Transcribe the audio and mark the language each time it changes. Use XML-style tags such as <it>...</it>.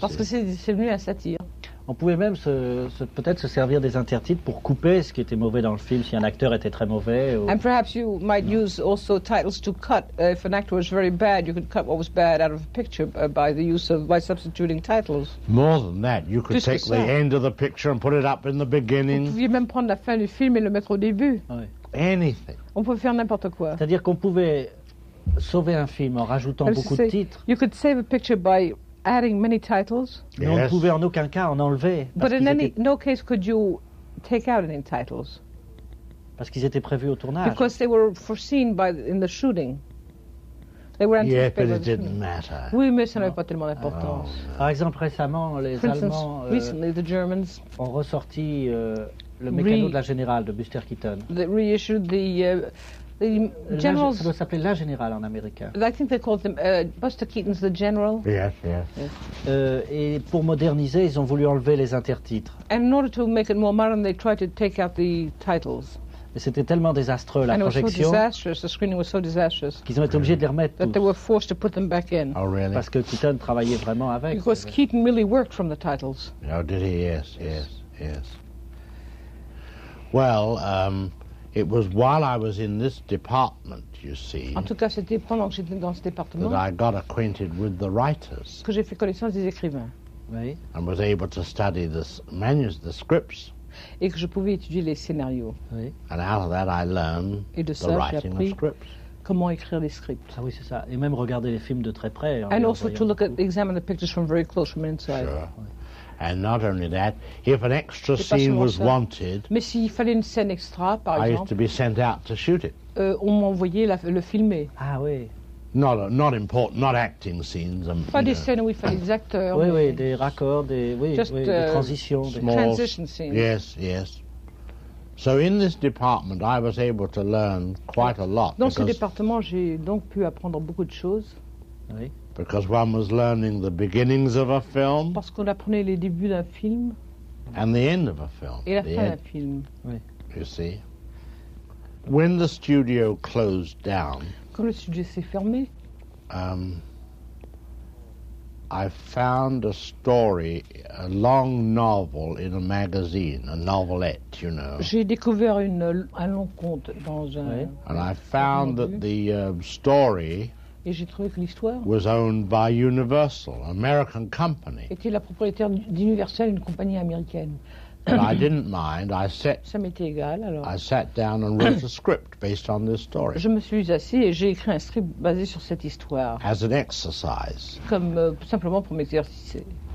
<fr>Parce que c'est devenu un satire. On pouvait même peut-être se servir des intertitres pour couper ce qui était mauvais dans le film si un acteur était très mauvais. Ou...</fr> <en>And perhaps you might use also titles to cut if an actor was very bad. You could cut what was bad out of a picture by substituting titles. More than that, you could take the end of the picture and put it up in the beginning.</en> <fr>Vous pouviez même prendre la fin du film et le mettre au début. Oui.</fr> <en>Anything.</en> <fr>On pouvait faire n'importe quoi. C'est-à-dire qu'on pouvait sauver un film en rajoutant beaucoup de titres.</fr> <en>You could save a picture by adding many titles.</en> <fr>Mais on ne pouvait en aucun cas en enlever.</fr> <en>But in no case could you take out any titles.</en> <fr>Parce qu'ils étaient prévus au tournage.</fr> <en>Because they were foreseen in the shooting. They were anticipated. Yeah, but it didn't matter.</en> <fr>Oui, mais ça n'avait pas tellement d'importance. Par exemple, récemment, les Allemands</fr> <en>recently, the Germans</en> <fr>ont ressorti le mécano de la générale de Buster Keaton.</fr> <en>They reissued the the generals.</en> <fr>Ça doit s'appeler La Générale en américain.</fr> <en>I think they called them Buster Keaton's The General. Yes, yes.</en> <fr>Et pour moderniser, ils ont voulu enlever les intertitres.</fr> <en>And in order to make it more modern, they tried to take out the titles.</en> <fr>Mais c'était tellement désastreux la</fr> <en>and</en> <fr>projection.</fr> <en>It was so disastrous. The screening was so disastrous.</en> <fr>Qu'ils ont été obligés de les remettre.</fr> <en>That</en> <fr>tous.</fr> <en>They were forced to put them back in. Oh really?</en> <fr>Parce que Keaton travaillait vraiment avec.</fr> <en>Because Keaton really worked from the titles. Oh, did he? Yes, yes, yes. Well. It was while I was in this department, you see,</en> <fr>en tout cas, c'était pendant que j'étais dans ce département,</fr> <en>that I got acquainted with the writers.</en> <fr>Que j'ai fait connaissance des écrivains.</fr> <en>and was able to study this manuscript, the scripts.</en> <fr>Et que je pouvais étudier les scénarios. Oui.</fr> <en>And out of that I learned the writing of scripts.</en> <fr>Comment écrire les scripts. Ah oui, c'est ça. Et même regarder les films de très près.</fr> <en>And also to look at, examine the pictures from very close, from inside. Sure. And not only that, if an extra scene was wanted,</en> <fr>mais s'il fallait une scène extra, par</fr> <en>exemple, I used to be sent out to shoot it.</en> <fr>On m'envoyait le filmer. Ah oui.</fr> <en>Not important, not acting scenes.</en> <fr>Pas des scènes où il fallait des acteurs. Oui, oui, des raccords, des transitions.</fr> <en>Small transition scenes. Yes, yes. So in this department, I was able to learn quite a lot.</en> <fr>Dans ce département, j'ai donc pu apprendre beaucoup de choses. Oui.</fr> <en>Because one was learning the beginnings of a film.</en> <fr>Parce qu'on apprenait les débuts d'un film.</fr> <en>And the end of a film.</en> <fr>Et la fin d'un film. Oui.</fr> <en>You see. When the studio closed down.</en> <fr>Quand le studio s'est fermé.</fr> <en>I found a story, a long novel in a magazine, a novelette, you know.</en> <fr>J'ai découvert un long conte dans un. Oui.</fr> <en>And I found that the story.</en> <fr>Et j'ai trouvé que l'histoire.</fr> <en>Was owned by Universal, American company.</en> <fr>Était la propriétaire d'Universal, une compagnie américaine.</fr> <en>But I didn't mind. I sat.</en> <fr>Ça m'était égal alors.</fr> <en>I sat down and wrote a script based on this story.</en> <fr>Je me suis assis et j'ai écrit un script basé sur cette histoire.</fr> <en>As an exercise.</en> <fr>Comme simplement pour m'exercer.</fr>